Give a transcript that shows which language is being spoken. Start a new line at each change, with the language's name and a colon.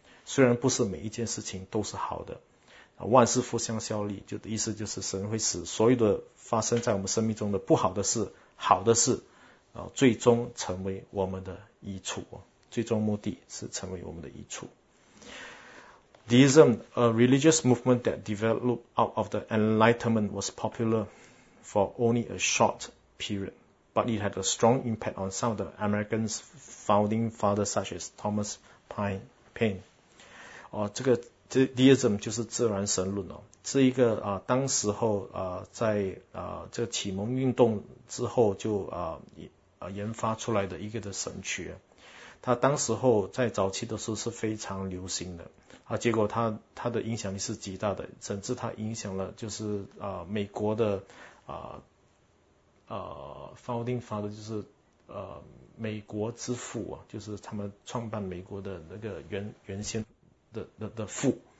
Chinese: 虽然不是每一件事情都是好的，万事互相效力，就的意思就是神会使所有的发生在我们生命中的不好的事、好的事，最终成为我们的益处。最终目的是成为我们的益处。
English: Deism, a religious movement that developed out of the Enlightenment, was popular for only a short period, but it had a strong impact on some of the American founding fathers such as Thomas Paine.
Chinese: 这个 Deism 就是自然神论哦，是一个当时候在这个启蒙运动之后就研发出来的一个的神学，它当时候在早期的时候是非常流行的啊，结果它的影响力是极大的，甚至它影响了就是美国的founding father 就是美国之父啊，就是他们创办美国的那个原先的父。